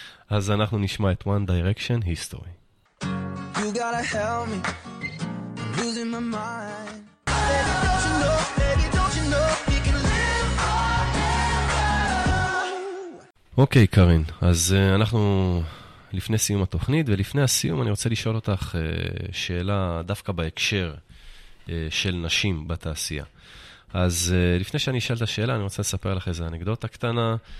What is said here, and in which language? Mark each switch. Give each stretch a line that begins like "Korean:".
Hebrew: אז אנחנו נשמע את One Direction History.
English: You gotta help me, I'm losing my mind. Baby, don't you know, baby, don't you know, you can live forever.
Hebrew: אוקיי, קרין, אז אנחנו לפני סיום התוכנית, ולפני הסיום אני רוצה לשאול אותך שאלה דווקא בהקשר של נשים בתעשייה. אז לפני שאני אשאל את השאלה, אני רוצה לספר לך איזה אנקדוטה קטנה.